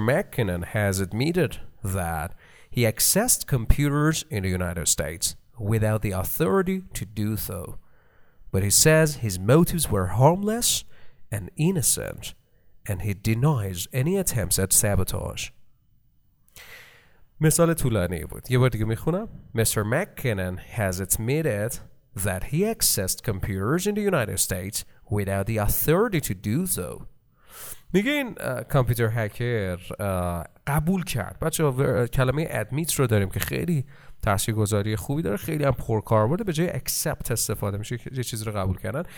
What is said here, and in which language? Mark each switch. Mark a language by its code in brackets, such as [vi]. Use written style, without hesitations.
[en] McKinnon has admitted that he accessed computers in the United States without the authority to do so, but he says his motives were harmless and innocent and he denies any attempts at sabotage. [fa] مثال طولانی بود، یه بار دیگه میخونم. [en] Mr. McKinnon has admitted that he accessed computers in the United States without the authority to do so. [fa] میگه این کامپیوتر هکر قبول کرد. بچه کلمه ادمیت رو داریم که خیلی تاثیرگذاری خوبی داره، خیلی هم پرکاربرده، به جای اکسپت استفاده میشه که یه چیز رو قبول کردن.